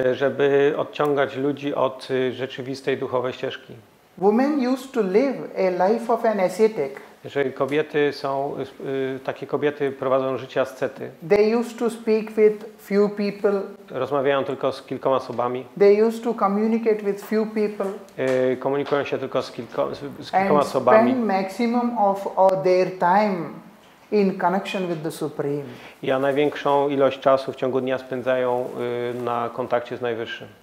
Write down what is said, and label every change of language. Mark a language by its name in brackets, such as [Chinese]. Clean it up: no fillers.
[Polish] Żeby odciągać ludzi od rzeczywistej duchowej ścieżki. [English] Women used to live a life of an ascetic. [Polish] Jeżeli kobiety są, takie kobiety prowadzą życie ascety. [English] They used to speak with few people. [Polish] Rozmawiają tylko z kilkoma osobami. [English] They used to communicate with few people. [Polish] Komunikują się tylko z kilkoma [English] and [Polish] osobami. [English] And spend maximum of all their time in connection with the Supreme. [Polish] I największą ilość czasu w ciągu dnia spędzają na kontakcie z Najwyższym.